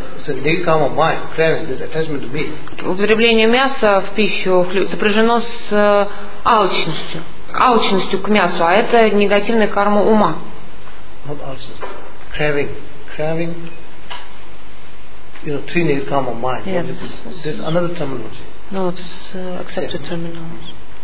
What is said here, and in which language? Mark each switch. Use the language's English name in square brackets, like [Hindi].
[English] It's a negative karma mind, craving, this attachment to meat. [Russian] Употребление мяса в пищу сопряжено с алчностью. Алчностью к мясу, а это негативная карма ума. [English] Not alchness. Craving. Craving. You know, three negative karma mind. Yeah, this is another terminology. No, it's accepted terminology.